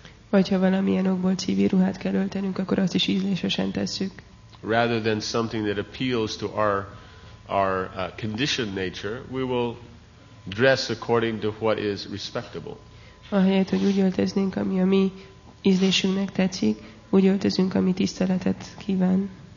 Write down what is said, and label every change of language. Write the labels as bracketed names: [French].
[Hungarian] Vagy ha valamilyen okból civil ruhát kell öltenünk, akkor azt is ízlésesen tesszük. [English] Rather than something that appeals to our conditioned nature, we will dress according to what is respectable. [Hungarian] Ahelyett, hogy úgy öltöznénk, ami a mi ízlésünknek tetszik, úgy öltözünk, ami tiszteletet kíván.